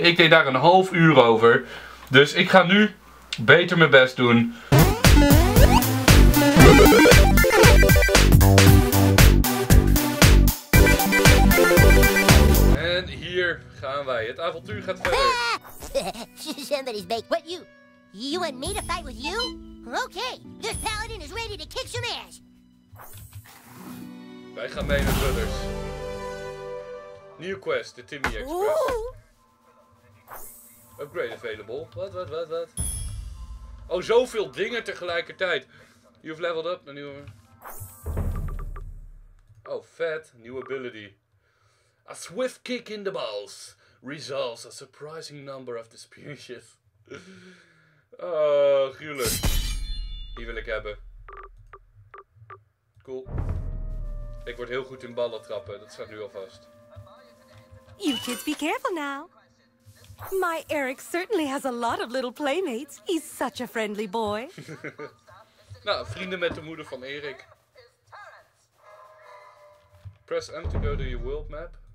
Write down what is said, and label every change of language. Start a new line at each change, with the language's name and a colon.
Dutch: Ik deed daar een half uur over. Dus ik ga nu beter mijn best doen. En hier gaan wij. Het avontuur gaat verder.
English: Somebody's baked. What, you? You want me to fight with you? Okay, this paladin is ready to kick some ass.
Dutch: Wij gaan mee naar Brothers.
English: New quest, de Timmy Express. Ooh. Upgrade available. Wat?
Dutch: Oh, zoveel dingen tegelijkertijd.
English: You've leveled up,
Dutch: een nieuwe.
English: Oh, vet. New ability. A swift kick in the balls results a surprising number of the species.
Dutch: Oh, gruwelijk. Die wil ik hebben. Cool. Ik word heel goed in ballen trappen, dat staat nu al vast.
English: You kids be careful now. My Eric certainly has a lot of little playmates. He's such a friendly boy.
Dutch: Nou, vrienden met de moeder van Eric.
English: Press M to go to your world map.